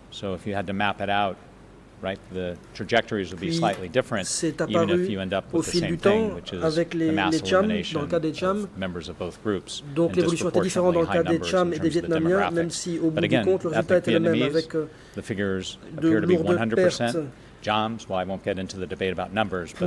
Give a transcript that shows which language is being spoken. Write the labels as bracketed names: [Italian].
[English] So if you had to map it out, right, the trajectories would be slightly different, even if you end up with the same thing, which is [French] avec les Cham, dans le cas des Cham, [English] members of both groups. [French] Donc l'évolution était différente dans le cas des Cham et des Vietnamiens, même si au bout du compte, le résultat était le même, avec [English] the figures appear to be 100% Jams, well, I won't get into the debate about numbers, but